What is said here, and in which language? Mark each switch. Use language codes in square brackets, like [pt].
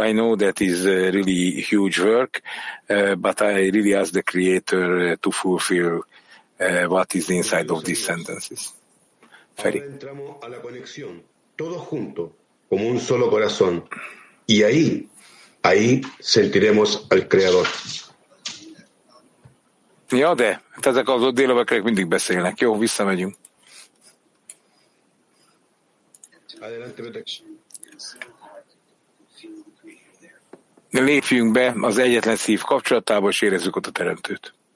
[en] I know that is really huge work, but I really ask the Creator to fulfill what is inside of these sentences. [es] Ahora entramos a la conexión, todos juntos, como un solo corazón, y ahí, ahí sentiremos al Creador. [hu] Ja, de ezek az ott délövekrek mindig beszélnek. Jó, visszamegyünk. De lépjünk be az egyetlen szív kapcsolatába, és érezzük ott a Teremtőt.